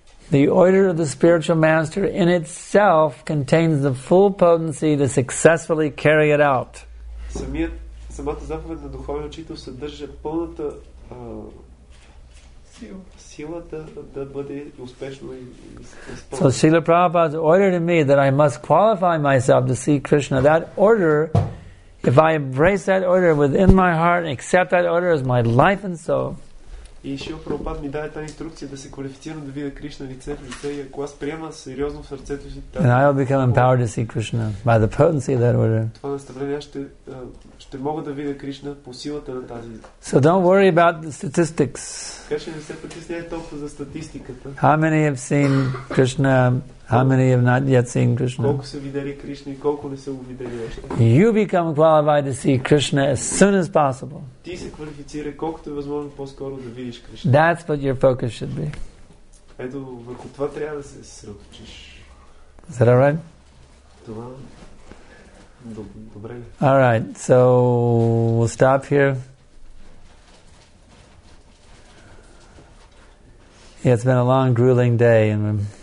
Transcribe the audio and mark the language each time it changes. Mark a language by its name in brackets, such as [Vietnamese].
[English] The order of the spiritual master in itself contains the full potency to successfully carry it out. [Bulgarian] Самата заповед на духовния учител съдържа пълната сила да бъде успешно изпълнен. [English] So Srila Prabhupada's order to me that I must qualify myself to see Krishna, that order, if I embrace that order within my heart and accept that order as my life and soul, [Bulgarian] и Шрила Прабхупада ми даде тази инструкция да се квалифицирам да видя Кришна лице в лице, и ако аз приема сериозно в сърцето си тази, [English] and I will become empowered to see Krishna by the potency of that order. [Bulgarian] Това наставление, ще мога да видя Кришна по силата на тази. [English] So don't worry about the statistics. [Bulgarian] Кришна, не се притесняй толкова за статистиката. [English] How many have seen Krishna? How many have not yet seen Krishna? [Bulgarian] Колко са видели Кришна и колко не са го видели още? [English] You become qualified to see Krishna as soon as possible. [Bulgarian] Ти се квалифицирай колкото е възможно по-скоро да видиш Кришна. [English] That's what your focus should be. [Bulgarian] Ето, върху това трябва да се съсредоточиш. [English] Is that all right? [Bulgarian] Това добре. [English] All right, so we'll stop here. Yeah, it's been a long, grueling day, and